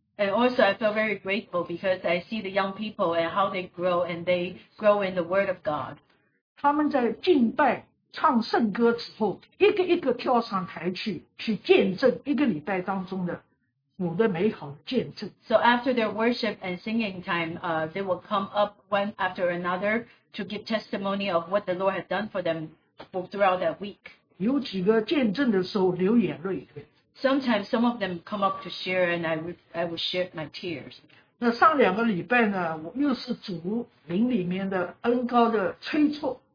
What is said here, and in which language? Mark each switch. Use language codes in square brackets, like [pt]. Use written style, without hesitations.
[en] And also I feel very grateful because I see the young people and how they grow and they grow in the word of God. [zh] 他们在敬拜。唱圣歌之后，一个一个跳上台去，去见证一个礼拜当中的主的美好见证。 [en] So after their worship and singing time, they will come up one after another to give testimony of what the Lord had done for them throughout that week. [zh] 有几个见证的时候流眼泪。 [en] Sometimes some of them come up to share, and I will shed my tears. [zh] 那上两个礼拜呢，我又是主灵里面的恩膏的催促。